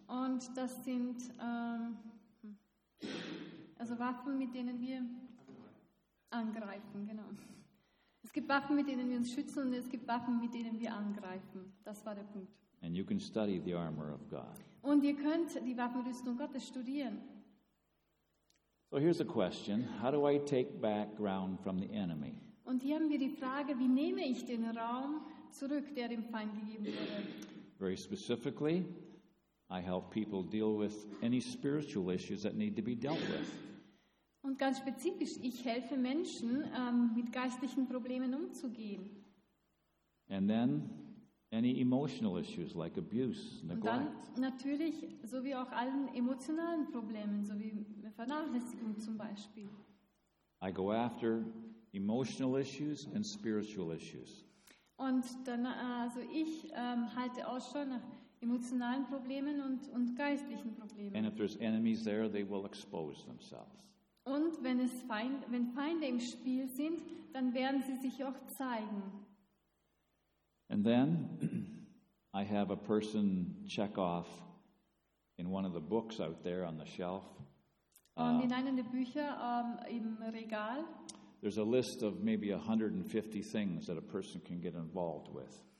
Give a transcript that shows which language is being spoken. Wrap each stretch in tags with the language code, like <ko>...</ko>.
<de>Und das sind also Waffen, mit denen wir angreifen, genau. Es gibt Waffen, mit denen wir uns schützen, und es gibt Waffen, mit denen wir angreifen. Das war der Punkt.</de> <en>And you can study the armor of God.</en> <de>Und ihr könnt die Waffenrüstung Gottes studieren.</de> <en>So here's a question. How do I take back ground from the enemy?</en> <de>Und hier haben wir die Frage, wie nehme ich den Raum zurück, der dem Feind gegeben wurde?</de> <en>Very specifically, I help people deal with any spiritual issues that need to be dealt with.</en> <de>Und ganz spezifisch, ich helfe Menschen, mit geistlichen Problemen umzugehen.</de> <en>And then, any emotional issues like abuse, neglect.</en> <de>Und dann natürlich, so wie auch allen emotionalen Problemen, so wie Vernachlässigung zum Beispiel.</de> <en>I go after emotional issues and spiritual issues.</en> <de>Und dann, also ich halte Ausschau nach emotionalen Problemen und geistlichen Problemen.</de> <en>And if there's enemies there, they will expose themselves.</en> <de>Und wenn Feinde im Spiel sind, dann werden sie sich auch zeigen.</de> <en>And then I have a person check off in one of the books out there on the shelf.</en> <de>Und in einem der Bücher im Regal.</de> <en>There's a list of maybe 150 things that a person can get involved with.</en>